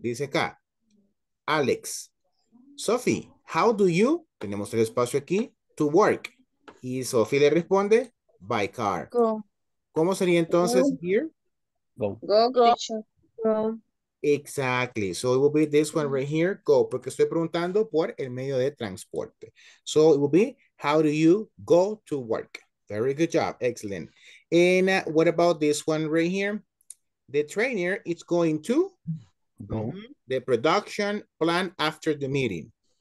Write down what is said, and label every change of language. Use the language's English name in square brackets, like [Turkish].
[Spanish] Dice acá, Alex. Sophie, [English] how do you, [Spanish] tenemos el espacio aquí, [English] to work? [Spanish] Y Sophie le responde, [English] by car. Go. [Spanish] ¿Cómo sería entonces go. [English] Here? Go. Go, go. Exactly. So it will be this one right here, go. [Spanish] Porque estoy preguntando por el medio de transporte. [English] So it will be, how do you go to work? Very good job. Excellent. And what about this one right here? The trainer is going to go. The production plan after the meeting.